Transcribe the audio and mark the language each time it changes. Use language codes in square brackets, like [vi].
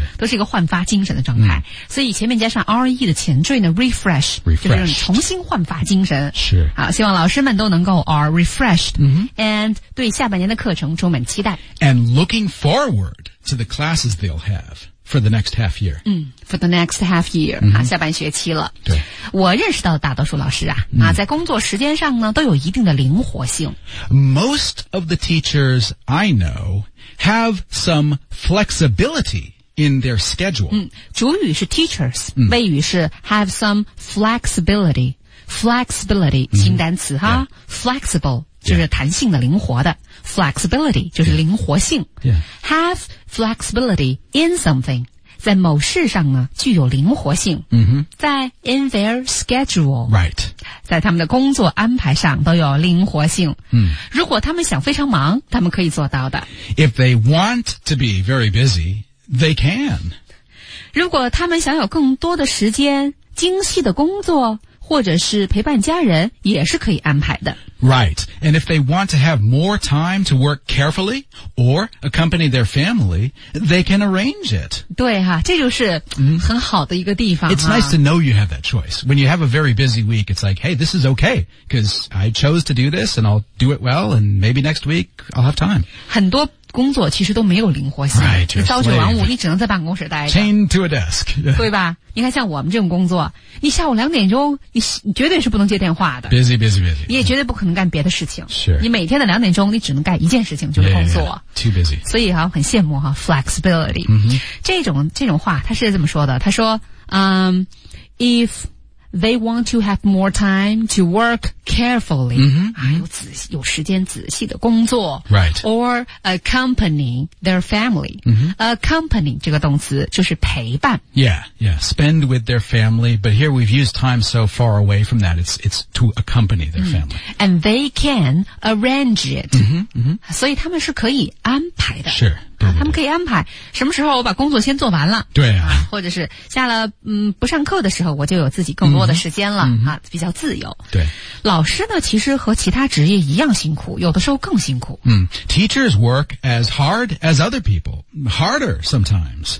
[zh] 啊。都是一个焕发精神的状态。嗯、所以前面加上 RE 的前缀呢 refresh, 就是重新焕发。精神是好，希望老师们都能够 [en] are refreshed、 mm-hmm. [zh] and 对下半年的课程充满期待 [en] and looking forward to the classes they'll have for the next half year、嗯、for the next half year、 mm-hmm. [zh] 啊、下半学期了对我认识到的大多数老师啊、 [en] mm-hmm. [zh] 啊，在工作时间上呢都有一定的灵活性 [en] most of the teachers I know have some flexibilityin their schedule、 [zh] 嗯、主语是 teachers、嗯、谓语是 [en] have some flexibility flexibility [zh] 新单词、嗯、哈、 [en] yeah. [zh] flexible 就是弹性的灵活的、 [en] yeah. [zh] flexibility 就是灵活性、 [en] yeah. have flexibility in something [zh] 在某事上呢具有灵活性、 [en] mm-hmm. [zh] 在 [en] in their schedule、 right. [zh] 在他们的工作安排上都有灵活性、嗯、如果他们想非常忙他们可以做到的 [en] if they want to be very busyThey can. [zh] 如果他们想有更多的时间精细的工作或者是陪伴家人也是可以安排的。 [en] Right. And if they want to have more time to work carefully or accompany their family, they can arrange it. [zh] 对哈、啊、这就是很好的一个地方、啊。 [en] It's nice to know you have that choice. When you have a very busy week, it's like, hey, this is okay, because I chose to do this and I'll do it well and maybe next week I'll have time. [zh] 很多工作其实都没有灵活性 [en] right, [zh] 你朝九晚五你只能在办公室待着 [en] Chained to a desk [zh] 对吧你看像我们这种工作你下午两点钟 你绝对是不能接电话的 [en] Busy, busy, busy [zh] 你也绝对不可能干别的事情是你每天的两点钟你只能干一件事情就是工作 [en] yeah, yeah, Too busy [zh] 所以、啊、很羡慕、啊、Flexibility、 [en] mm-hmm. [zh] 这种话他是这么说的他说、 [en] IfThey want to have more time to work carefully,、 mm-hmm, [zh] 啊、有时间仔细的工作、 [en] right. or accompany their family.、 Mm-hmm. [zh] Accompany 这个动词就是陪伴。 [en] Yeah, yeah, spend with their family, but here we've used time so far away from that, it's to accompany their family.、 Mm-hmm. And they can arrange it. Mm-hmm, mm-hmm. [zh] 所以他们是可以安排的。 [en] Sure. [zh] 他们可以安排什么时候我把工作先做完了对 啊, 啊，或者是下了不上课的时候我就有自己更多的时间了、嗯嗯、啊，比较自由对老师呢其实和其他职业一样辛苦有的时候更辛苦 [en] 嗯 Teachers work as hard as other people harder sometimes